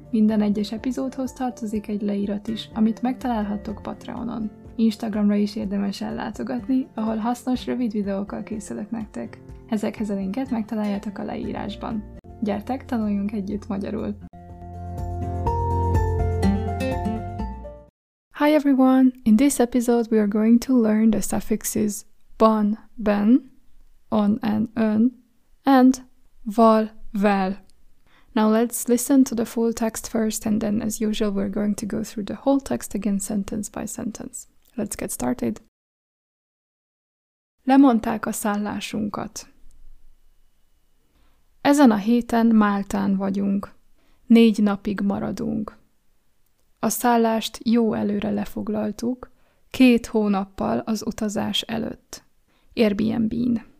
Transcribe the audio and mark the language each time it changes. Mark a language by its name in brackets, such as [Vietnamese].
[Hungarian] Minden egyes epizódhoz tartozik egy leírat is, amit megtalálhattok Patreonon. Instagramra is érdemes ellátogatni, ahol hasznos, rövid videókkal készülök nektek. Ezekhez a linket megtaláljátok a leírásban. Gyertek, tanuljunk együtt magyarul! [English] Hi everyone! In this episode, we are going to learn the suffixes ban, ben, on and ön, and val, vel. Now let's listen to the full text first, and then as usual, we're going to go through the whole text again sentence by sentence. Let's get started. [Hungarian] Lemondták a szállásunkat. Ezen a héten Máltán vagyunk. 4 napig maradunk. A szállást jó előre lefoglaltuk, 2 hónappal az utazás előtt. Airbnb-n.